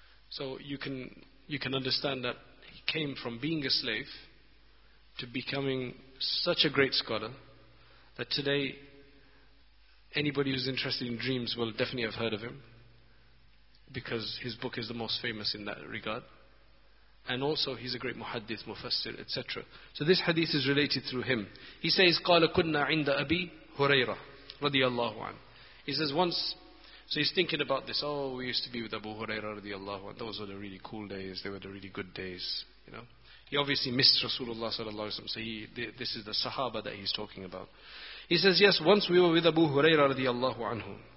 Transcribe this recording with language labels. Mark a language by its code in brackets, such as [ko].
[en] So you can understand that he came from being a slave to becoming such a great scholar that today anybody who's interested in dreams will definitely have heard of him, because his book is the most famous in that regard. And also he's a great muhaddith, mufassir, etc. So this hadith is related through him. He says, [ar] قَالَ كُنَّا عِنْدَ أَبِي هُرَيْرَةِ رَضِيَ اللَّهُ عَنْهُ. [en] He says once, so he's thinking about this, oh, we used to be with Abu Huraira radiallahu anhu. Those were the really cool days, they were the really good days. You know, he obviously missed Rasulullah sallallahu alayhi wa sallam. So this is the sahaba that he's talking about. He says, yes, once we were with Abu Huraira radiallahu anhu.